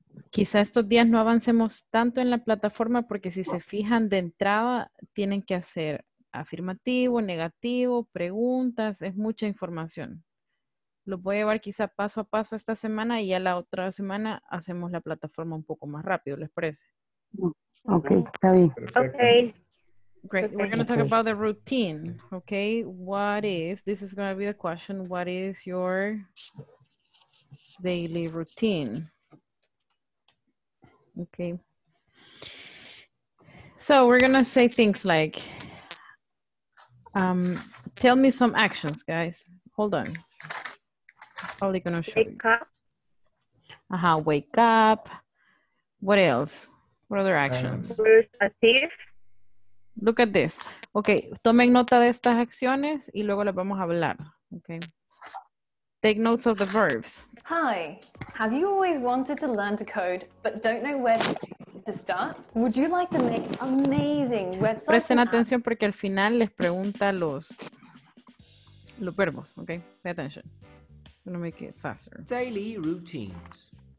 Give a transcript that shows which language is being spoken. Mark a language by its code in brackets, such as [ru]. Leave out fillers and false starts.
[es] Quizá estos días no avancemos tanto en la plataforma porque si se fijan de entrada tienen que hacer afirmativo, negativo, preguntas, es mucha información. Lo voy a llevar quizá paso a paso esta semana y ya la otra semana hacemos la plataforma un poco más rápido, ¿les parece? Ok, está bien. [en] Okay. Great, okay. We're going to talk about the routine, okay? What is, this is going to be the question, what is your daily routine? Okay. So we're going to say things like, tell me some actions, guys. Hold on. I'm probably gonna show wake you. Up. Uh-huh, wake up. What else? What other actions? Look at this. [es] Okay, tomen nota de estas acciones y luego les vamos a hablar. [en] Okay. Take notes of the verbs. Hi. Have you always wanted to learn to code but don't know where to start? Would you like to make amazing websites? [es] Presten atención porque al final les pregunta los verbos, okay? [en] Pay attention. I'm gonna make it faster. Daily routines.